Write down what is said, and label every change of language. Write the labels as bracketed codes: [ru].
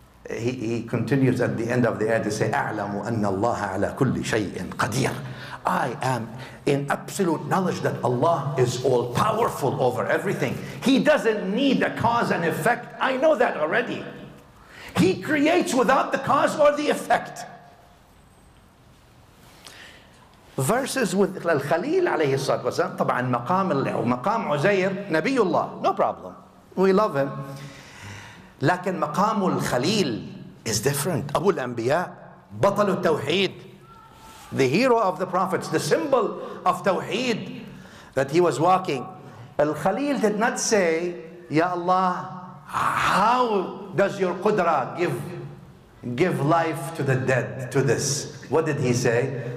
[en] He continues at the end of the ayah to say, [ar] أَعْلَمُ أَنَّ اللَّهَ عَلَى كُلِّ شَيْءٍ قَدِيرٍ [en] I am in absolute knowledge that Allah is all powerful over everything. He doesn't need a cause and effect. I know that already. He creates without the cause or the effect. Verses with Al-Khalil [ar] alayhi salatu wasalam, طبعاً مقام الله ومقام عزير نبي الله. [en] No problem. We love him. [ar] لكن مقام الخليل [en] is different. [ar] أبو الأنبياء بطل التوحيد. [en] The hero of the prophets, the symbol of Tawheed that he was walking. Al-Khalil did not say, Ya Allah, how does your Qudra give life to the dead, to this? What did he say?